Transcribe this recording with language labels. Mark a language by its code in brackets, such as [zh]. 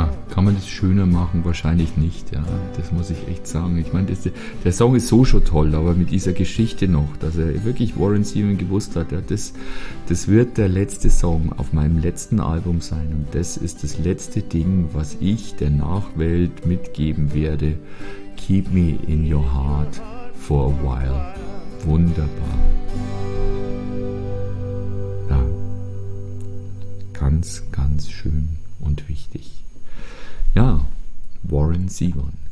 [de] Kann man das schöner machen? Wahrscheinlich nicht, ja, das muss ich echt sagen. Ich meine, der Song ist so schon toll, aber mit dieser Geschichte noch, dass er wirklich Warren Zevon gewusst hat, ja, das wird der letzte Song auf meinem letzten Album sein und das ist das letzte Ding, was ich der Nachwelt mitgeben werde. [en] Keep me in your heart for a while. [de] Wunderbar. Ja, ganz, ganz schön und wichtig. Ja, Warren Zevon.